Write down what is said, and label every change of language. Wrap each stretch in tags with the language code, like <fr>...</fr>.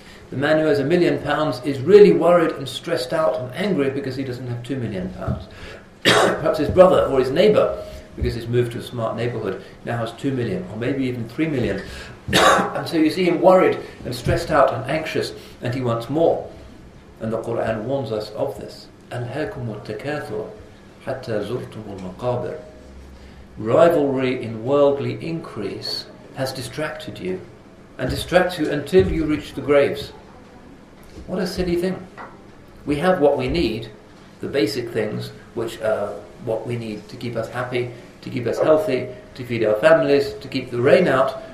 <en>The man who has £1 million is really worried and stressed out and angry because he doesn't have £2 million. Perhaps his brother or his neighbour, because he's moved to a smart neighbourhood, now has £2 million, or maybe even £3 million. And so you see him worried and stressed out and anxious, and he wants more. And the Qur'an warns us of this.</en> <ar>أَلْهَاكُمُ التَّكَاثُرُ حَتَّى زُرْتُمُ الْمَقَابِرُ.</ar> <en>Rivalry in worldly increase has distracted you, and distracts you until you reach the graves. What a silly thing. We have what we need, the basic things, which are what we need to keep us happy, to keep us healthy, to feed our families, to keep the rain out.</en>